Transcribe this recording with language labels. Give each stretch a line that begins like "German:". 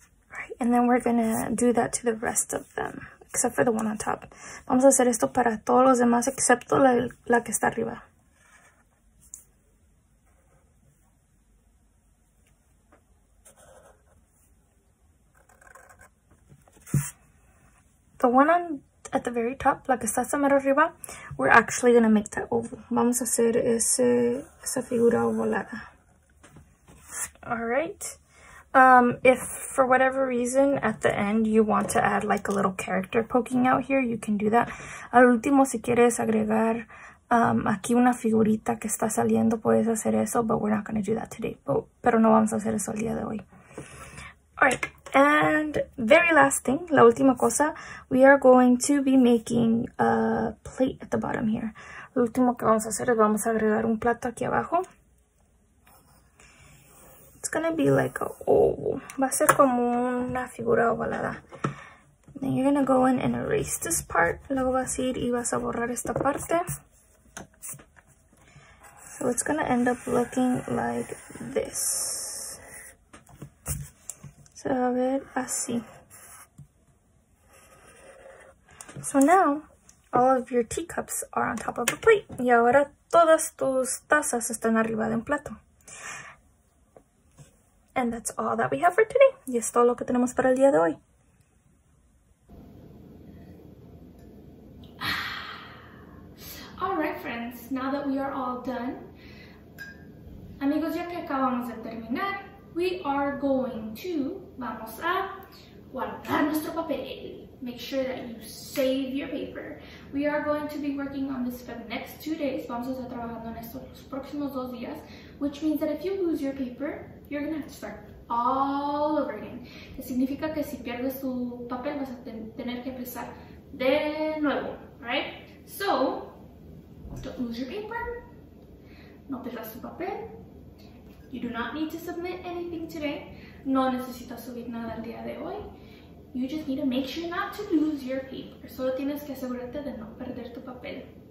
English: Right, and then we're gonna do that to the rest of them, except for the one on top.
Spanish: Vamos a hacer esto para todos los demás, excepto la que está arriba.
English: The one on at the very top,
Spanish: la que está hasta mero arriba,
English: we're actually going to make that oval.
Spanish: Vamos a hacer esa figura ovalada.
English: All right. If for whatever reason at the end you want to add like a little character poking out here, you can do that.
Spanish: Al último, si quieres agregar aquí una figurita que está saliendo, puedes hacer eso,
English: but we're not going to do that today.
Spanish: Pero no vamos a hacer eso el día de hoy.
English: All right. And very last thing,
Spanish: la última cosa,
English: we are going to be making a plate at the bottom here.
Spanish: Lo último que vamos a hacer es vamos a agregar un plato aquí abajo.
English: It's going to be like a oval.
Spanish: Va a ser como una figura ovalada.
English: Then you're going to go in and erase this part.
Spanish: Luego vas a ir y vas a borrar esta parte.
English: So it's going to end up looking like this.
Spanish: Se va a ver así.
English: So now, all of your teacups are on top of the plate.
Spanish: Y ahora todas tus tazas están arriba de un plato.
English: And that's all that we have for today.
Spanish: Y es todo lo que tenemos para el día de hoy.
English: All right, friends. Now that we are all done.
Spanish: Amigos, ya que acabamos de terminar,
English: we are going to,
Spanish: vamos a guardar nuestro papel.
English: Make sure that you save your paper. We are going to be working on this for the next 2 days.
Spanish: Vamos a estar trabajando en estos próximos 2 días,
English: which means that if you lose your paper, you're going to have to start all over again.
Spanish: Que significa que si pierdes tu papel, vas a tener que empezar de nuevo, right?
English: So, don't lose your paper.
Spanish: No pierdas tu papel.
English: You do not need to submit anything today.
Spanish: No necesitas subir nada el día de hoy.
English: You just need to make sure not to lose your paper.
Spanish: Solo tienes que asegurarte de no perder tu papel.